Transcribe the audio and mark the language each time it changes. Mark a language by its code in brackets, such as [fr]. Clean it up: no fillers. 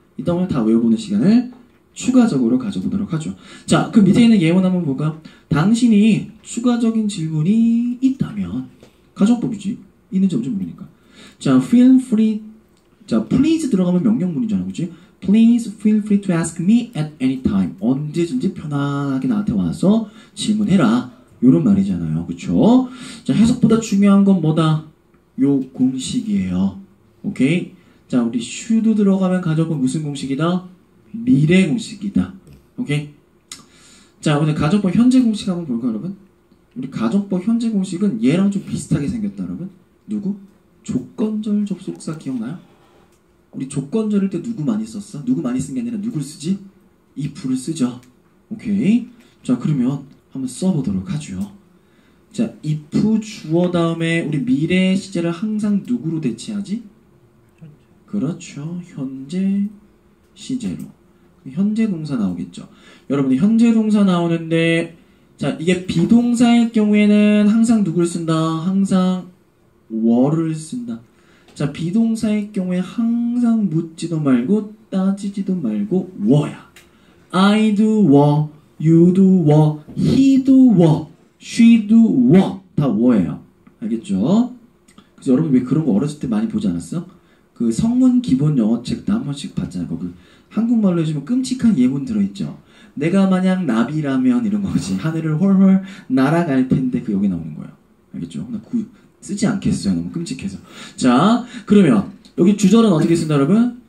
[ko] 이따 오늘 다 외워보는 시간을 추가적으로 가져보도록 하죠. 자, 그 밑에 있는 예문 한번 볼까? 당신이 추가적인 질문이 있다면 가정법이지. 있는지 없는지 모르니까. [en] 자, feel free. [ko] 자, please 들어가면 명령문이잖아요, 그치? [en] Please feel free to ask me at any time. [ko] 언제든지 편하게 나한테 와서 질문해라. 요런 말이잖아요, 그쵸? 자, 해석보다 중요한 건 뭐다? 요 공식이에요. 오케이? 자, 우리 should 들어가면 가정법 무슨 공식이다? 미래 공식이다. 오케이? 자, 오늘 가정법 현재 공식 한번 볼까요, 여러분? 우리 가정법 현재 공식은 얘랑 좀 비슷하게 생겼다, 여러분? 누구? 조건절 접속사 기억나요? 우리 조건절일 때 누구 많이 썼어? 누구 많이 쓴 게 아니라 누굴 쓰지? if를 쓰죠. 오케이. 자, 그러면 한번 써보도록 하죠. 자, if 주어 다음에 우리 미래 시제를 항상 누구로 대체하지? 그렇죠. 현재 시제로. 현재 동사 나오겠죠. 여러분, 현재 동사 나오는데 자, 이게 비동사일 경우에는 항상 누구를 쓴다? 항상 were를 쓴다. 자, 비동사의 경우에 항상 묻지도 말고 따지지도 말고 were야. [en] I do were, you do were, he do were, she do were. [ko] 다 were예요. 알겠죠? 그래서 여러분 왜 그런 거 어렸을 때 많이 보지 않았어? 그 성문 기본 영어책 다 한 번씩 봤잖아. 그 한국말로 해주면 끔찍한 예문 들어있죠. 내가 만약 나비라면 이런 거지. 하늘을 훨훨 날아갈 텐데 그 여기 나오는 거예요. 알겠죠? 나 그 쓰지 않겠어요. 너무 끔찍해서. 자, 그러면 여기 주절은 어떻게 쓴다 여러분?